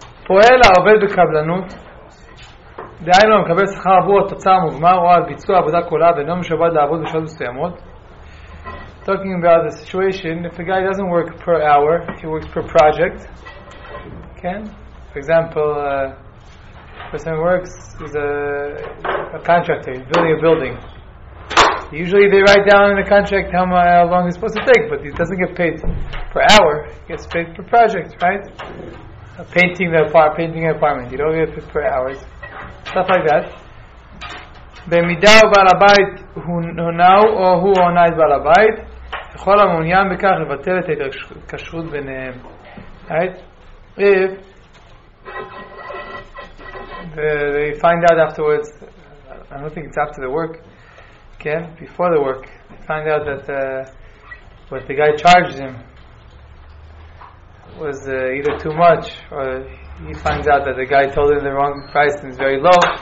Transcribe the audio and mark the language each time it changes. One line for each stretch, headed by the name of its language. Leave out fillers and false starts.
Hebrew: פועל העובד בקבלנות, דהיינו המקבל שכר עבור התוצאה המוגמר או על ביצוע עבודה כולה ולא משועבד לעבוד בשעות מסוימות.
English: Talking about the situation, if a guy doesn't work per hour, he works per project. Okay? For example, person works is a contractor, he's building a building. Usually they write down in the contract how long it's supposed to take, but he doesn't get paid per hour, he gets paid per project, right? Painting an apartment, you don't get paid per hours. Stuff like that.
Hebrew: במידה הוא בעל הבית הונאו או הוא הונא את בעל הבית, יכול המעוניין בכך לבטל את ההתקשרות ביניהם.
English: Right? If they find out afterwards, I don't think it's after the work, okay, before the work, they find out that what the guy charged him was either too much, or he finds out that the guy told him the wrong price and it's very low.